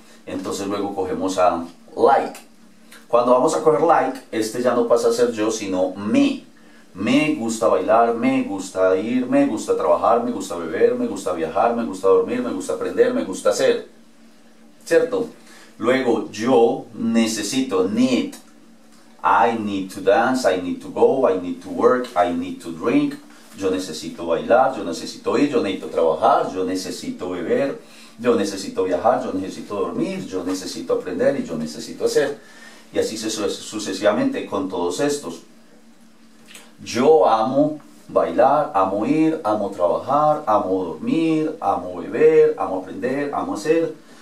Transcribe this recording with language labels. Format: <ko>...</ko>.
<es>Entonces luego cogemos a like. Cuando vamos a coger like, este ya no pasa a ser yo, sino me. Me gusta bailar, me gusta ir, me gusta trabajar, me gusta beber, me gusta viajar, me gusta dormir, me gusta aprender, me gusta hacer. ¿Cierto? Luego yo necesito, need.</es> <en>I need to dance, I need to go, I need to work, I need to drink.</en> <es>Yo necesito bailar, yo necesito ir, yo necesito trabajar, yo necesito beber. Yo necesito viajar, yo necesito dormir, yo necesito aprender y yo necesito hacer. Y así sucesivamente con todos estos. Yo amo bailar, amo ir, amo trabajar, amo dormir, amo beber, amo aprender, amo hacer.</es>